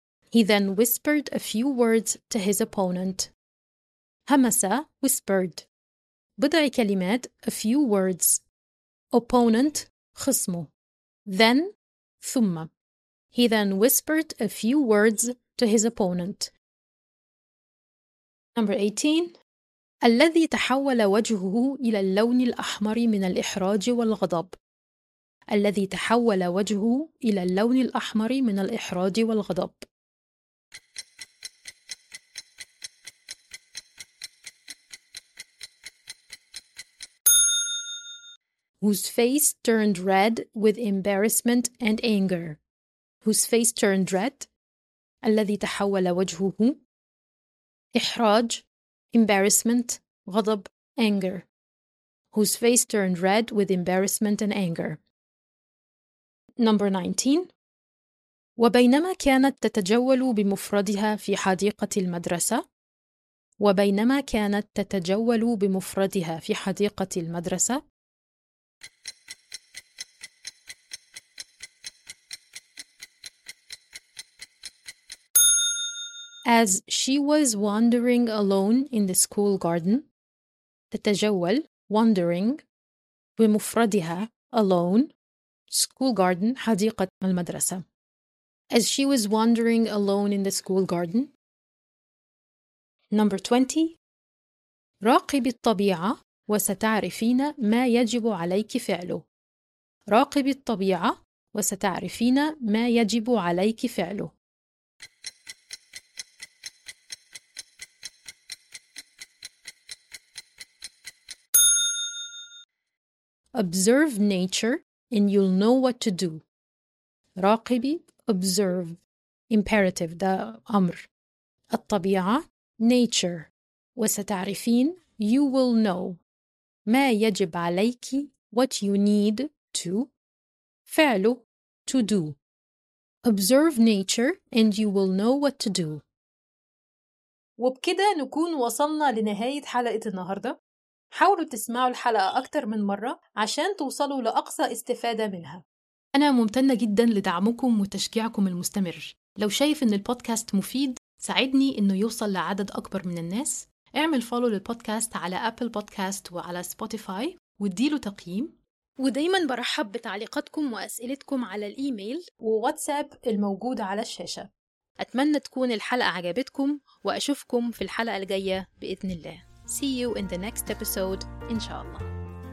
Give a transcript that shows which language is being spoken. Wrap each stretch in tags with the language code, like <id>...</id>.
<en>He then whispered a few words to his opponent.</en> <ar>همس</ar> <en>whispered</en> <ar>بضع كلمات</ar> <en>a few words opponent</en> <ar>خصمه</ar> <en>then</en> <ar>ثم</ar> <en>he then whispered a few words to his opponent. Number 18.</en> <ar>الذي تحول وجهه إلى اللون الأحمر من الإحراج والغضب. الذي تحول وجهه إلى اللون الأحمر من الإحراج والغضب.</ar> <en>Whose face turned red with embarrassment and anger. Whose face turned red?</en> <ar>الذي تحول وجهه إحراج</ar> <en>embarrassment</en> <ar>غضب</ar> <en>anger. Whose face turned red with embarrassment and anger. Number 19.</en> <ar>وبينما كانت تتجول بمفردها في حديقة المدرسة. وبينما كانت تتجول بمفردها في حديقة المدرسة.</ar> <en>As she was wandering alone in the school garden,</en> <ar>تتجول</ar> <en>wandering</en> <ar>بمفردها</ar> <en>alone school garden</en> <ar>حديقة المدرسة.</ar> <en>As she was wandering alone in the school garden. Number 20.</en> <ar>راقب الطبيعة وستعرفين ما يجب عليك فعله. راقب الطبيعة وستعرفين ما يجب عليك فعله.</ar> <en>observe nature and you'll know what to do.</en> <ar>راقبي,</ar> <en>observe, imperative,</en> <ar>ده أمر. الطبيعة,</ar> <en>nature,</en> <ar>وستعرفين,</ar> <en>you will know.</en> <ar>ما يجب عليك,</ar> <en>what you need to.</en> <ar>فعله,</ar> <en>to do. Observe nature and you will know what to do.</en> <ar>وبكده نكون وصلنا لنهاية حلقة النهاردة. حاولوا تسمعوا الحلقة أكتر من مرة عشان توصلوا لأقصى استفادة منها. أنا ممتنة جدا لدعمكم وتشجيعكم المستمر. لو شايف إن البودكاست مفيد ساعدني إنه يوصل لعدد أكبر من الناس. اعمل فولو للبودكاست على أبل بودكاست وعلى سبوتيفاي واديله تقييم. ودايما برحب بتعليقاتكم وأسئلتكم على الإيميل وواتساب الموجود على الشاشة. أتمنى تكون الحلقة عجبتكم وأشوفكم في الحلقة الجاية بإذن الله.</ar> <en>See you in the next episode, inshallah.</en>